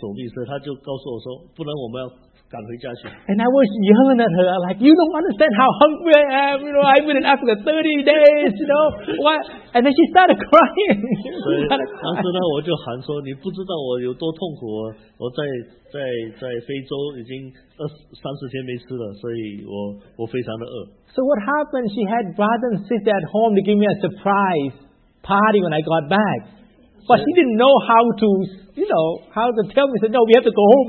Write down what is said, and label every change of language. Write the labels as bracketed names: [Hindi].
[Chinese] 所以我太太因为她不知道如何守秘，所以她就告诉我说，不然我们要赶回家去。 [English] And I was yelling at her, like, you don't understand how hungry I am. You know, I've been in Africa 30 days, you know. What? And then she started crying. [Chinese] 当时呢，我就喊说，你不知道我有多痛苦，我在。在非洲已经二三十天没吃了，所以我非常的饿。 [English] So what happened? She had brother and sister at home to give me a surprise party when I got back, but she didn't know how to, you know, how to tell me. Said, "No, we have to go home.